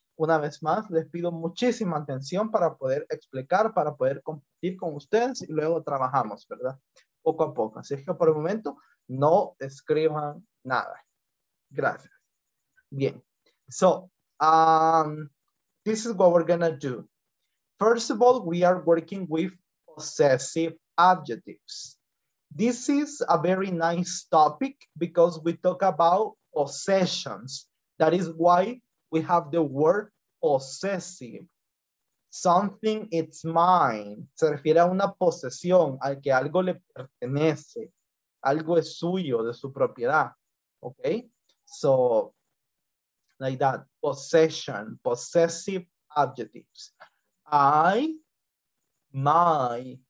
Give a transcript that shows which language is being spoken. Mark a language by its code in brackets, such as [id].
[es] Una vez más, les pido muchísima atención para poder explicar, para poder compartir con ustedes y luego trabajamos, ¿verdad? Poco a poco. Así que por el momento, no escriban nada. Gracias. Bien. [en] So, this is what we're going to do. First of all, we are working with possessive adjectives. This is a very nice topic because we talk about possessions. That is why we have the word possessive. Something it's mine. [es] Se refiere a una posesión, al que algo le pertenece. Algo es suyo, de su propiedad. Okay? [en] So, like that. Possession, possessive adjectives. I, my.